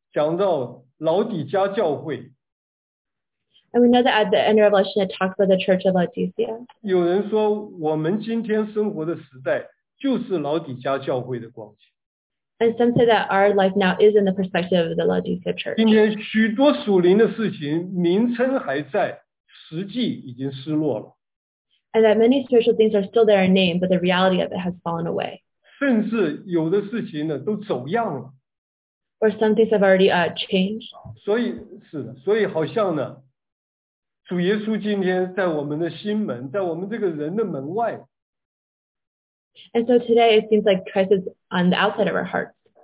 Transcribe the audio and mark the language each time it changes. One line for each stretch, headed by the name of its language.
Chinese: 我们知道启示录到最后讲到老底嘉教会。
English: And we know that at the end of Revelation, it talks about the church of Laodicea.
Chinese: 有人说我们今天生活的时代就是老底嘉教会的光景。
English: And some say that our life now is in the perspective of the Laodicea church.
Chinese: 今天许多属灵的事情名称还在，实际已经失落了。
English: And that many spiritual things are still there in name, but the reality of it has fallen away.
Chinese: 甚至有的事情呢，都走样了。Or
English: some things have already changed.
Chinese: 所以好像呢，主耶稣今天在我们的心门，在我们这个人的门外。And
English: so today it seems like Christ is on the outside of our hearts.